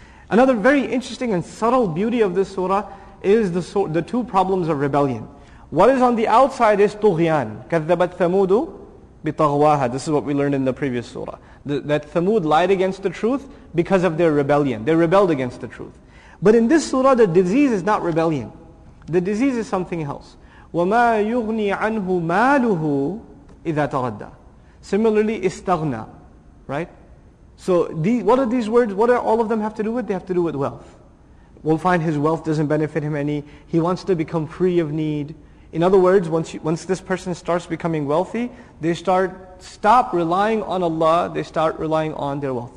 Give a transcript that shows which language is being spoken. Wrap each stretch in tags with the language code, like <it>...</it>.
<en>Another very interesting and subtle beauty of this surah is the two problems of rebellion. What is on the outside is طُغْيَان.</en> <ar>كَذَّبَتْ ثَمُودُ بِطَغْوَاهَا.</ar> <en>This is what we learned in the previous surah. That Thamud lied against the truth because of their rebellion. They rebelled against the truth. But in this surah, the disease is not rebellion. The disease is something else.</en> <ar>وَمَا يُغْنِي عَنْهُ مَالُهُ إِذَا تَرَدَّى.</ar> <en>Similarly, استغنى. Right? So what are these words? What do all of them have to do with? They have to do with wealth. We'll find his wealth doesn't benefit him any. He wants to become free of need. In other words, once this person starts becoming wealthy, they stop relying on Allah, they start relying on their wealth.</en>